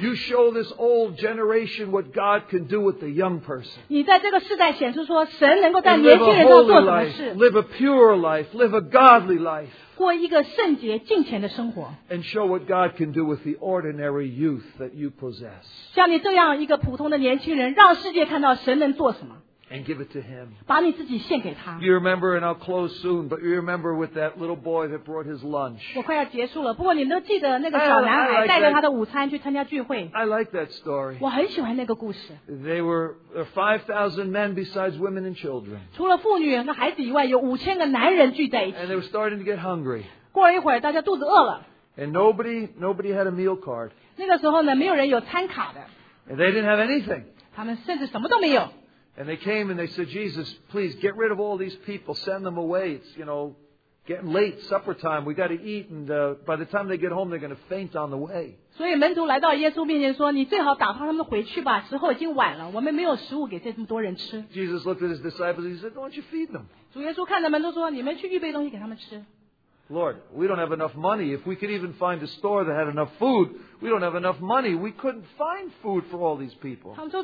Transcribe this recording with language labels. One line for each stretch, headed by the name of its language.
English: You show this old generation what God can do with the young person.
Chinese: 你在这个世代显示说, 神能够在年轻人中做什么事。
English: Live a pure life, live a godly life.
Chinese: 过一个圣洁敬虔的生活,
English: and show what God can do with the ordinary youth that you possess.
Chinese: 像你这样一个普通的年轻人, 让世界看到神能做什么。
English: And give it to him.
Chinese: 把你自己献给他。
English: You remember, and I'll close soon, but you remember with that little boy that brought his lunch.
Chinese: 我快要结束了, 不过你都记得那个小男孩带着他的午餐去参加聚会。
English: I like that story.
Chinese: 我很喜欢那个故事。
English: They were 5,000 men besides women and children.
Chinese: 除了妇女和孩子以外, 有5,000个男人聚在一起。
English: And they were starting to get hungry.
Chinese: 过了一会儿, 大家肚子饿了。
English: And nobody had a meal card.
Chinese: 那个时候呢, 没有人有餐卡的。
English: And they didn't have anything.
Chinese: 他们甚至什么都没有。
English: And they came and they said, Jesus, please get rid of all these people. Send them away. It's, you know, getting late, supper time. We got to eat. And by the time they get home, they're going to faint on the way.
Chinese: 所以门徒来到耶稣面前说,你最好打发他们回去吧,时候已经晚了,我们没有食物给这么多人吃。
English: Jesus looked at his disciples and he said, don't you feed them?
Chinese: 主耶稣看着门徒说,你们去预备东西给他们吃。
English: Lord, we don't have enough money. If we could even find a store that had enough food, we don't have enough money. We couldn't find food for all these people.